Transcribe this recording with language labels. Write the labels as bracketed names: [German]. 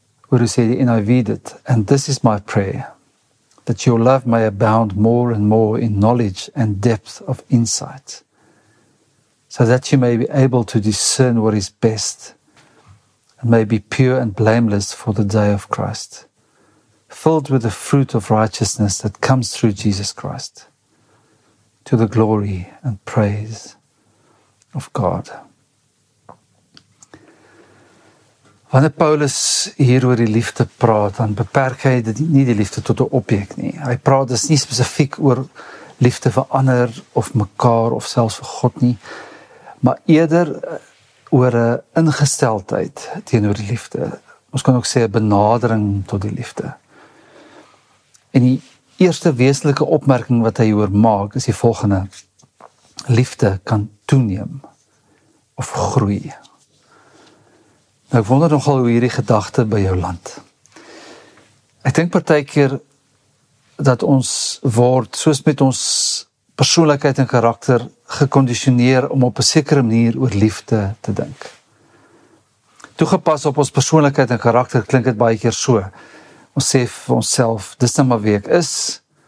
[Afrikaans] Oor hoe sê die NIV dit, [English] and this is my prayer, that your love may abound more and more in knowledge and depth of insight, so that you may be able to discern what is best and may be pure and blameless for the day of Christ, filled with the fruit of righteousness that comes through Jesus Christ, to the glory and praise of God. [Afrikaans] Wanneer Paulus hier oor die liefde praat, dan beperk hy nie die liefde tot 'n objek nie. Hy praat dus nie spesifiek oor liefde vir ander of mekaar of selfs vir God nie, maar eerder oor 'n ingesteldheid teenoor die liefde. Ons kan ook sê 'n benadering tot die liefde. En die eerste wesentlike opmerking wat hy hier maak, is die volgende. Liefde kan toeneem of groei. Nou, ek wonder nogal hoe hierdie gedagte by jou land. Ek dink partykeer dat ons word, soos met ons persoonlikheid en karakter, gekondisioneer om op 'n sekere manier oor liefde te dink. Toegepas op ons persoonlikheid en karakter klink dit baie keer so. Ons sê vir onsself, dis nou maar wie ek is.